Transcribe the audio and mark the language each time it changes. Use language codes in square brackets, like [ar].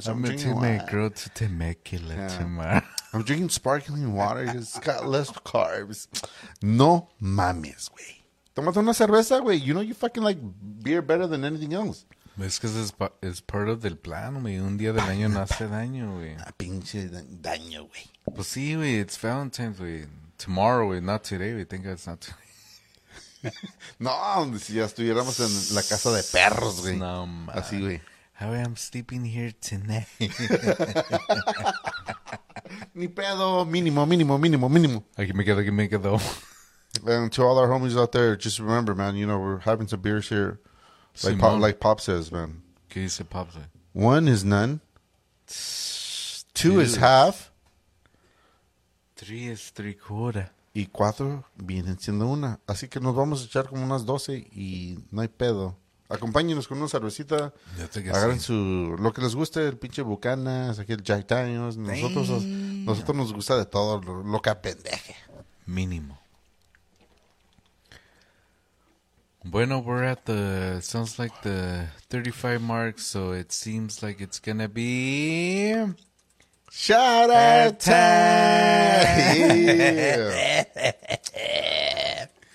[en] So I'm going to take my girl to Temecula tomorrow. I'm drinking sparkling water. It's got less carbs. [es] No mames, güey. Tómate una cerveza, güey. [en] You know you fucking like beer better than anything else. [es] Es que es [en] part of the plan, [es] güey. Un día del año no hace daño, güey. A pinche daño, güey. Pues sí, güey. [en] It's Valentine's, güey. Tomorrow, güey. Not today, güey. Thank God it's not today. [es] No, si ya estuviéramos en la casa de perros, güey. [en] No, man. [es] Así, güey. [en] How am I sleeping here tonight? [es] Ni pedo. Mínimo. Aquí me quedo. [en] And to all our homies out there, just remember, man, you know, we're having some beers here. Like Pop says, man. Can you say Pop say? One is none. Two is half. Three is three quarter. [es] Y cuatro vienen siendo una. Así que nos vamos a echar como unas 12 y no hay pedo. Acompáñenos con una cervecita. Agarren su lo que les guste, el pinche Bucanas, aquí el Jack Daniels. Nosotros nos gusta de todo, lo que apendeje. Mínimo. [en] Bueno, we're at the, sounds like the 35 mark, so it seems like it's gonna be... Shout out time!